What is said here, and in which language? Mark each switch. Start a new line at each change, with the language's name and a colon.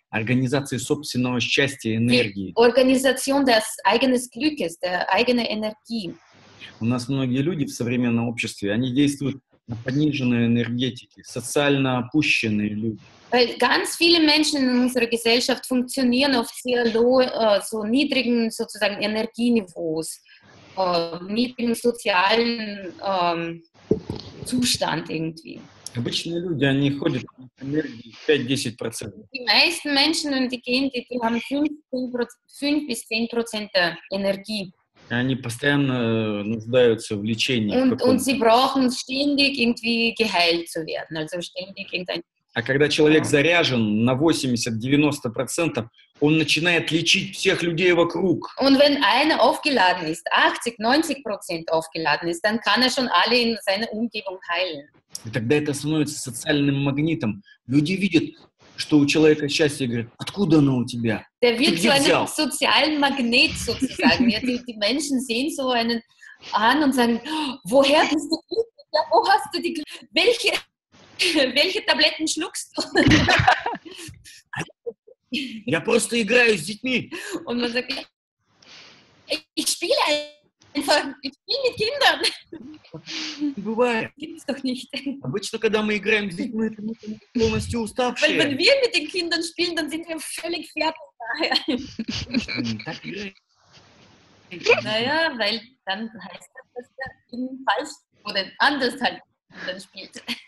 Russian: Организации собственного счастья и энергии.
German: Die Organisation des eigenen Glückes, der eigenen Energie.
Russian: У нас многие люди в современном обществе, они действуют на пониженной энергетике, социально опущенные люди.
German: Weil ganz viele Menschen in unserer Gesellschaft funktionieren auf sehr so niedrigen sozusagen Energieniveaus, niedrigen sozialen Zustand irgendwie.
Russian: Обычные люди, они ходят на энергии 5-10%.
German: Die meisten Menschen, die haben 5-10% der Energie.
Russian: Они постоянно нуждаются в лечении.
German: Und sie brauchen ständig irgendwie geheilt zu werden, also ständig irgendein.
Russian: А когда человек заряжен на 80-90%, он начинает лечить всех людей вокруг.
German: Und wenn einer aufgeladen ist, 80-90% aufgeladen ist, dann kann er schon alle in seiner Umgebung heilen.
Russian: И тогда это становится социальным магнитом. Люди видят, что у человека счастье, говорят, откуда оно у тебя?
German: Der wird so einen sozialen Magnet sozusagen. Die Menschen sehen so einen an und sagen, woher bist du gut? Ja, wo hast du die Welche Tabletten schluckst du?
Russian: Я просто играю с детьми.
German: Und man sagt, ich spiele einfach, ich spiele mit Kindern.
Russian: Бывает.
German: Gibt's doch nicht.
Russian: Обычно, когда мы играем с детьми, мы полностью уставшие.
German: Weil wenn wir mit den Kindern spielen, dann sind wir völlig fertig. Naja, weil dann heißt das, dass der Kind falsch oder anders halt dann spielt.